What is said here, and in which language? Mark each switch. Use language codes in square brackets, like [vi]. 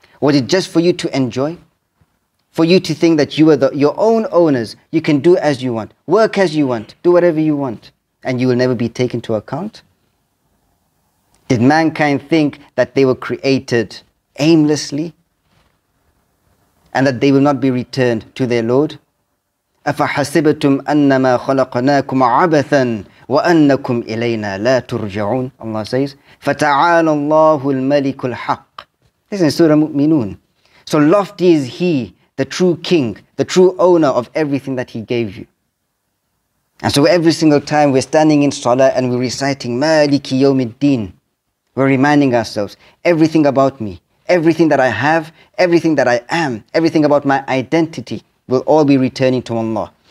[en] Was it just for you to enjoy? For you to think that you are your own owners, you can do as you want, work as you want, do whatever you want, and you will never be taken to account? Did mankind think that they were created aimlessly and that they will not be returned to their Lord? [ar] أَفَحَسِبَتُمْ أَنَّمَا خَلَقْنَاكُمْ عَبَثًا وَأَنَّكُمْ إِلَيْنَا لَا تُرْجَعُونَ [en] Allah says, [ar] فَتَعَالَ اللَّهُ الْمَلِكُ الْحَقِّ [en] This is in Surah Mu'minun. So lofty is he, the true king, the true owner of everything that he gave you. And so every single time we're standing in Salah and we're reciting [ar] مَالِكِ يَوْمِ الدِّينِ [en] We're reminding ourselves, everything about me, everything that I have, everything that I am, everything about my identity will all be returning to Allah.